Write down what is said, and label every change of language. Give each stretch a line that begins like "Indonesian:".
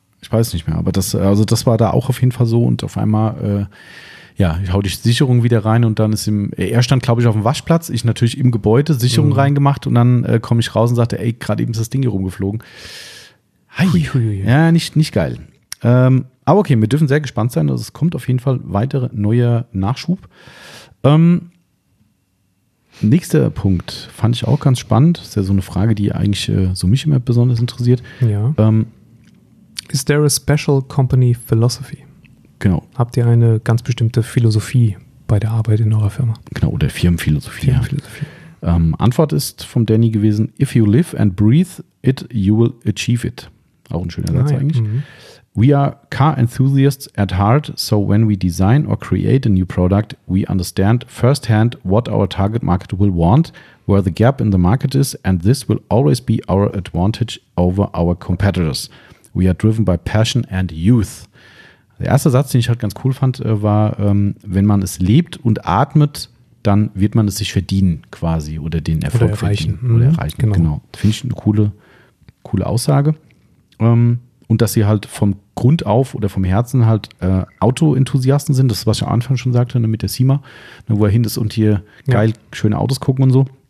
German: Ich weiß nicht mehr. Aber das war da auch auf jeden Fall so. Und auf einmal ich hau die Sicherung wieder rein und dann ist er stand, glaube ich, auf dem Waschplatz, ich natürlich im Gebäude Sicherung reingemacht und dann komme ich raus und sagte, ey, gerade eben ist das Ding hier rumgeflogen. Ja, nicht geil. Aber okay, wir dürfen sehr gespannt sein, also es kommt auf jeden Fall weitere neue Nachschub. Nächster Punkt, fand ich auch ganz spannend, ist ja so eine Frage, die eigentlich so mich immer besonders interessiert. Ja.
English: Is there a special company philosophy?
German: Genau. Habt ihr eine ganz bestimmte Philosophie bei der Arbeit in eurer Firma? Genau, oder Firmenphilosophie. Antwort ist vom Danny gewesen,
English: if you live and breathe it, you will achieve it.
German: Auch ein schöner Satz eigentlich. Mhm.
English: We are car enthusiasts at heart, so when we design or create a new product, we understand firsthand what our target market will want, where the gap in the market is, and this will always be our advantage over our competitors. We are driven by passion and youth.
German: Der erste Satz, den ich halt ganz cool fand, war, wenn man es lebt und atmet, dann wird man es sich verdienen quasi oder den Erfolg oder erreichen. Verdienen. Oder erreichen. Genau. Finde ich eine coole Aussage. Und dass sie halt vom Grund auf oder vom Herzen halt Auto-Enthusiasten sind, das ist, was ich am Anfang schon sagte, mit der CIMA, wo er hin ist und hier geil schöne Autos gucken und so.